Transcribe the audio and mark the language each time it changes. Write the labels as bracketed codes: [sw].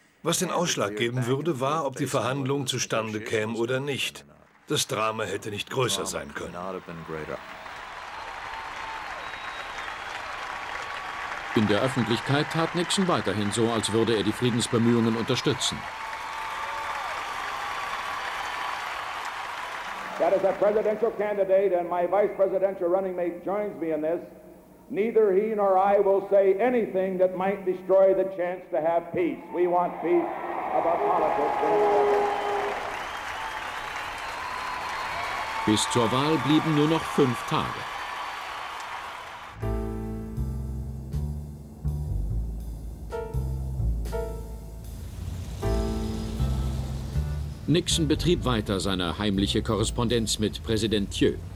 [de] Was den Ausschlag geben würde, war, ob die Verhandlungen zustande kämen oder nicht. Das Drama hätte nicht größer sein können. In der Öffentlichkeit tat Nixon weiterhin so, als würde er die Friedensbemühungen unterstützen. [en] That is a presidential candidate and my vice presidential running mate joins me in this. Neither he nor I will say anything that might destroy the chance to have peace. We want peace about politics. [de] Bis zur Wahl blieben nur noch 5 Tage. Nixon betrieb weiter seine heimliche Korrespondenz mit Präsident Thieu.